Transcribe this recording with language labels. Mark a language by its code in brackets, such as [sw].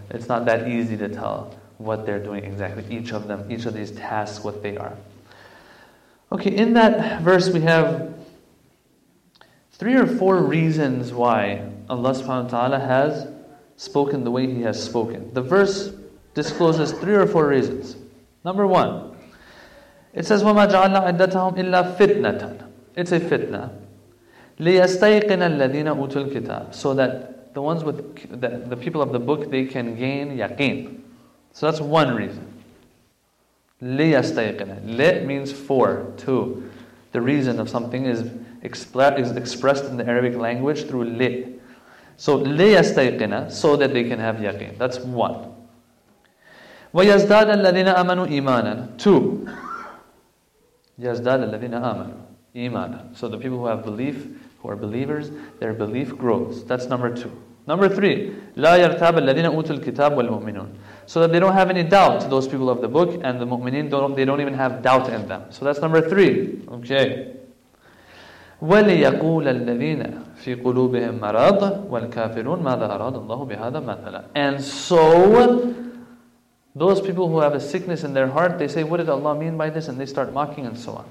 [en] It's not that easy to tell what they're doing exactly, each of them, each of these tasks, what they are. Okay, in that verse we have three or four reasons why Allah subhanahu wa ta'ala has spoken the way He has spoken. The verse discloses three or four reasons. Number one, it says, [ar] وَمَا جَعَلْنَا عِدَّتَهُمْ إِلَّا فِتْنَةً. [en] It's a fitna. [ar] لِيَسْتَيْقِنَ الَّذِينَ أُوتُوا الْكِتَابِ. [en] So that the people of the book, they can gain yaqeen. So that's one reason. [ar] لِيَسْتَيْقِنَ. [en] لِ means for, to. The reason of something is expressed in the Arabic language through li. So liyastayqina, so that they can have yaqeen. That's one. [ar] وَيَزْدَادَ الَّذِينَ آمَنُوا إِيمَانًا. [en] Two. [ar] يَزْدَادَ الَّذِينَ آمَنُوا إِيمَانًا. [en] So the people who have belief, who are believers, their belief grows. That's number two. Number three. [ar] لَا يَرْتَابَ الَّذِينَ أُوتُوا الْكِتَابَ وَالْمُؤْمِنُونَ. [en] So that they don't have any doubt, those people of the book, and the mu'mineen, they don't even have doubt in them. So that's number three. Okay. [ar] وَلِيَقُولَ الَّذِينَ فِي قُلُوبِهِمْ مَرَضٌ وَالْكَافِرُونَ مَاذَا أَرَادَ اللَّهُ بِهَذَا مَثَلًا. [en] And so, those people who have a sickness in their heart, they say, what did Allah mean by this? And they start mocking and so on.